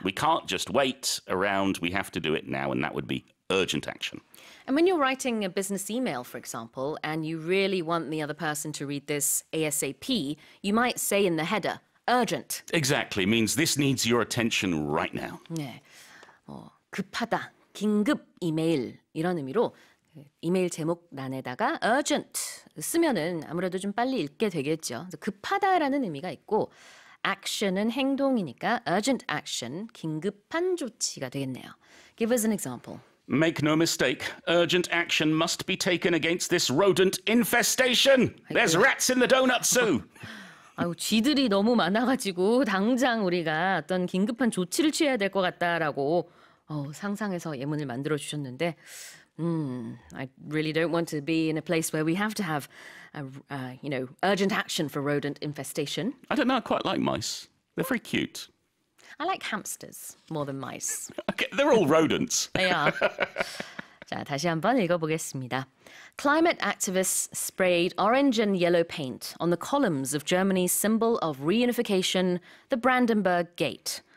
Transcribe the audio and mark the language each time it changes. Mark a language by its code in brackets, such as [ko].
[en] We can't just wait around. We have to do it now, and that would be urgent action. And when you're writing a business email, for example, and you really want the other person to read this ASAP, you might say in the header, urgent. Exactly. Means this needs your attention right now. [ko] 네. 급하다. 긴급 이메일 이런 의미로 이메일 제목란에다가 urgent 쓰면은 아무래도 좀 빨리 읽게 되겠죠. 급하다라는 의미가 있고 action은 행동이니까 urgent action, 긴급한 조치가 되겠네요. [en] Give us an example. Make no mistake, urgent action must be taken against this rodent infestation. There's rats in the donut zoo. [ko] 아유, 쥐들이 너무 많아가지고 당장 우리가 어떤 긴급한 조치를 취해야 될 것 같다라고 상상해서 예문을 만들어 주셨는데, [en] I really don't want to be in a place where we have to have, you know, urgent action for rodent infestation. I don't know. I quite like mice. They're very cute. I like hamsters more than mice. Okay, they're all rodents. They are. [ko] 자, 다시 한번 읽어보겠습니다. [en] Climate activists sprayed orange and yellow paint on the columns of Germany's symbol of reunification, the Brandenburg Gate.